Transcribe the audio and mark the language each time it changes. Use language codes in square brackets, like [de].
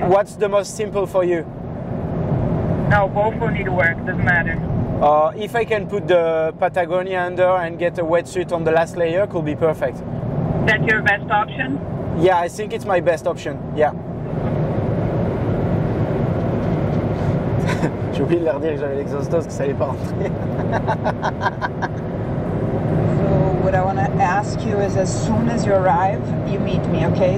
[en] What's the most simple for you? No, both will need work. Doesn't matter. If I can put the Patagonia under and get a wetsuit on the last layer, it could be perfect. That's your best option? Yeah, I think it's my best option, yeah. [fr] J'ai oublié de leur dire que j'avais l'exostose, que ça allait pas rentrer. [en] So what I want to ask you is as soon as you arrive, you meet me, okay?